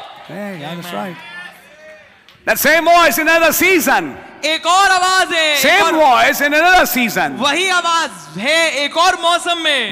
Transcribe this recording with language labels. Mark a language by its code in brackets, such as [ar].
[en] Hey, that's right. That same voice in another season. [hi] एक और आवाज है. [en] Same voice in another season. [hi] वही आवाज है एक और मौसम में.